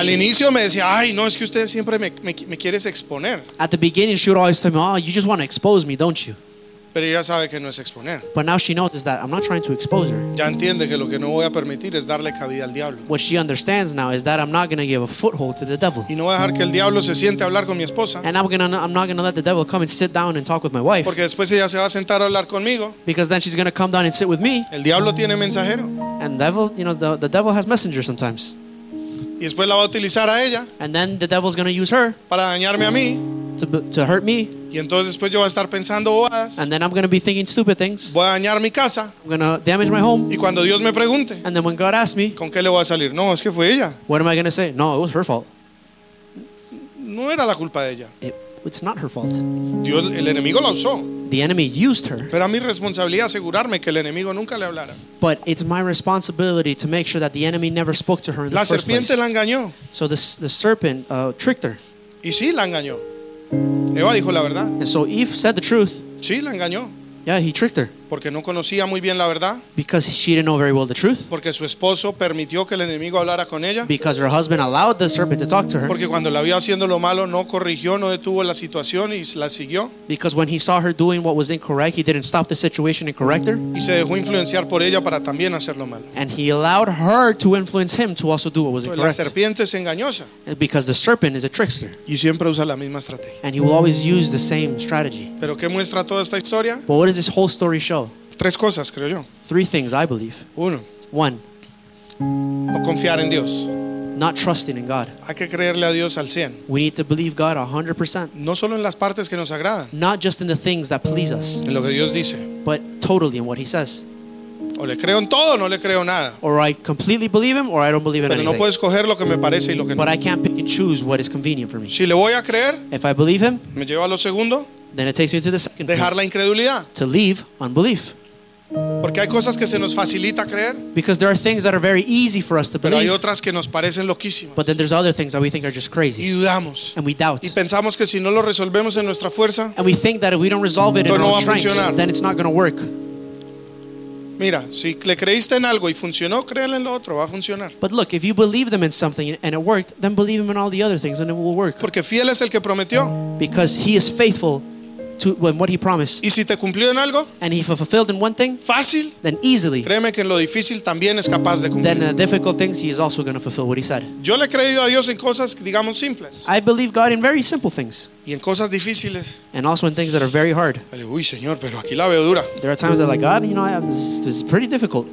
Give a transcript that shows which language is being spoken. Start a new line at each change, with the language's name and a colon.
Spanish: Al inicio me decía, ay, no, es que usted siempre me quieres exponer.
English: At the beginning, she would always tell me, oh, you just want to expose me, don't you?
Spanish: Pero ella sabe que no es exponer.
English: But now she knows that I'm not trying to expose her.
Spanish: Ya entiende que lo que no voy a permitir es darle cabida al diablo.
English: What she understands now is that I'm not going to give a foothold to the devil.
Spanish: Y no voy a dejar que el diablo se siente a hablar con mi esposa.
English: And I'm not going to let the devil come and sit down and talk with my wife.
Spanish: Porque después ella se va a sentar a hablar conmigo.
English: Because then she's going to come down and sit with me.
Spanish: El diablo tiene mensajero.
English: And devil, you know, the devil has messengers sometimes.
Spanish: Y después la va a utilizar a ella.
English: And then the devil's going to use her.
Spanish: Para dañarme a mí.
English: To hurt me.
Spanish: Y entonces después yo voy a estar pensando bobadas.
English: And then I'm going to be thinking stupid things.
Spanish: Voy a dañar mi casa.
English: I'm going to damage my home.
Spanish: Y cuando Dios me pregunte.
English: And then when God asks me.
Spanish: ¿Con qué le voy a salir? No, es que fue ella.
English: What am I going to say? No, it was her fault.
Spanish: No era la culpa de ella.
English: It's not her fault.
Spanish: Dios, el enemigo la usó.
English: The enemy used her.
Spanish: Pero a mi responsabilidad asegurarme que el enemigo nunca le hablara.
English: But it's my responsibility to make sure that the enemy never spoke to her in
Spanish: la
English: the first place.
Spanish: La serpiente la engañó.
English: So the serpent tricked her.
Spanish: Y sí la engañó. Eva dijo la verdad.
English: And so Eve said the truth.
Spanish: Sí la engañó.
English: Yeah, he tricked her.
Spanish: Porque no conocía muy bien la verdad.
English: Because she didn't know very well the truth.
Spanish: Porque su esposo permitió que el enemigo hablara con ella.
English: Because her husband allowed the serpent to talk to her.
Spanish: Porque cuando la vio haciendo lo malo, no corrigió, no detuvo la situación y la siguió.
English: Because when he saw her doing what was incorrect, he didn't stop the situation and correct her.
Spanish: Y se dejó influenciar por ella para también hacer lo malo.
English: And he allowed her to influence him to also do what was incorrect.
Spanish: La serpiente es engañosa.
English: Because the serpent is a trickster.
Spanish: Y siempre usa la misma estrategia.
English: And he will always use the same strategy.
Spanish: Pero ¿qué muestra toda esta historia?
English: But what does this whole story show?
Spanish: Tres cosas, creo yo.
English: Three things I believe.
Spanish: Uno.
English: One.
Spanish: No confiar en Dios.
English: Not trusting in God.
Spanish: Hay que creerle a Dios al 100.
English: We need to believe God 100%.
Spanish: No solo en las partes que nos agradan.
English: Not just in the things that please us.
Spanish: En lo que Dios dice.
English: But totally in what he says.
Spanish: O le creo en todo, no le creo nada.
English: Or I completely believe him, or I don't believe in anything.
Spanish: Pero no puedo escoger lo que me parece y lo que no.
English: But I can't pick and choose what is convenient for me.
Spanish: Si le voy a creer,
English: if I believe him,
Spanish: me lleva a lo segundo.
English: Then it takes me to the second.
Spanish: Dejar
English: point,
Spanish: la incredulidad.
English: To leave unbelief.
Spanish: Porque hay cosas que se nos facilita creer.
English: Because there are things that are very easy for us to believe.
Spanish: Pero hay otras que nos parecen loquísimas.
English: But then there's other things that we think are just crazy.
Spanish: Y dudamos.
English: And we doubt.
Spanish: Y pensamos que si no lo resolvemos en nuestra fuerza.
English: And we think that if we don't resolve it in
Spanish: no
English: our strength, then it's not going to work.
Spanish: Mira, si le creíste en algo y funcionó, créele en lo otro, va a funcionar.
English: But look, if you believe them in something and it worked, then believe him in all the other things and it will work.
Spanish: Porque fiel es el que prometió.
English: Because he is faithful. To when what he promised.
Spanish: ¿Y si te cumplió en algo?
English: And if he fulfilled in one thing,
Spanish: fácil,
English: then easily.
Spanish: Créeme que en lo difícil también es capaz de cumplir.
English: Then in the difficult things, he is also going to fulfill what he said.
Spanish: Yo le creo a Dios en cosas, digamos, simples.
English: I believe God in very simple things.
Spanish: Y en cosas difíciles.
English: And also in things that are very hard.
Spanish: Uy, Señor, pero aquí la veo dura.
English: There are times that like God, you know, this is pretty difficult.